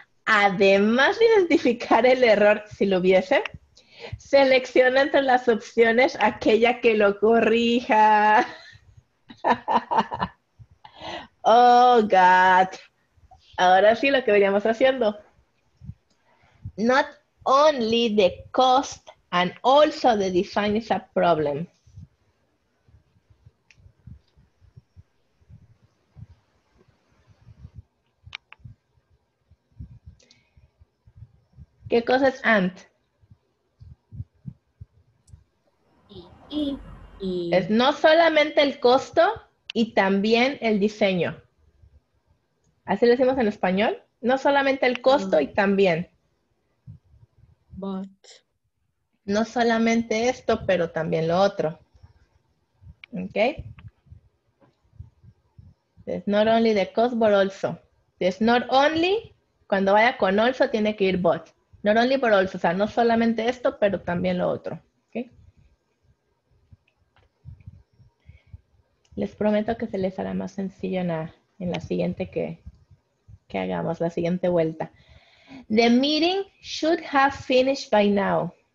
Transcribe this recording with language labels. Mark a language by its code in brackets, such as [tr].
[es] Además de identificar el error, si lo hubiese, selecciona entre las opciones aquella que lo corrija. [en] Oh, God. [es] Ahora sí lo que veníamos haciendo. [en] Not only the cost and also the design is a problem. [es] ¿Qué cosa es and? Y es no solamente el costo y también el diseño. ¿Así lo decimos en español? No solamente el costo y también. [en] But. [es] No solamente esto, pero también lo otro. ¿Ok? [en] It's not only the cost, but also. It's not only, [es] cuando vaya con also, tiene que ir but. [en] Not only but also, [es] o sea, no solamente esto, pero también lo otro. ¿Okay? Les prometo que se les hará más sencillo en la siguiente que hagamos, la siguiente vuelta. [en] The meeting should have finished by now.